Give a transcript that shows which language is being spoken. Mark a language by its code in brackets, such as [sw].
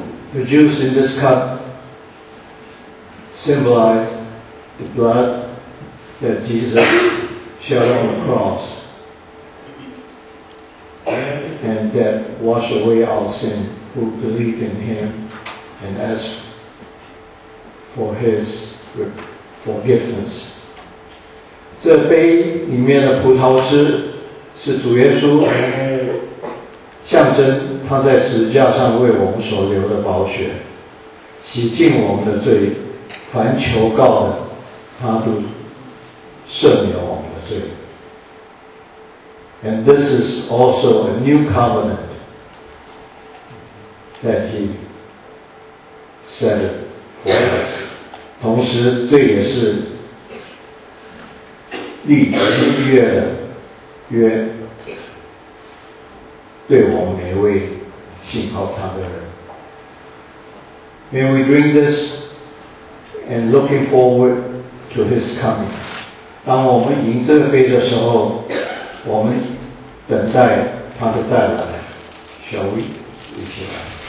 [en] Juice in this cup symbolized the blood that Jesus shed on the cross and that washed away our sin who believed in him and asked for his forgiveness. [zh] 这杯里面的葡萄汁是主耶稣象征他在十字架上为我们所流的宝血，洗净我们的罪，凡求告的他都赦免我们的罪。 [en] And this is also a new covenant that he said for us. [zh] 同时这也是立誓约的约，对我们每位信靠他的人。 [en] May we drink this and looking forward to his coming. [zh] 当我们饮这杯的时候，我们等待他的再来。 [en] Shall we? [zh] 一起来。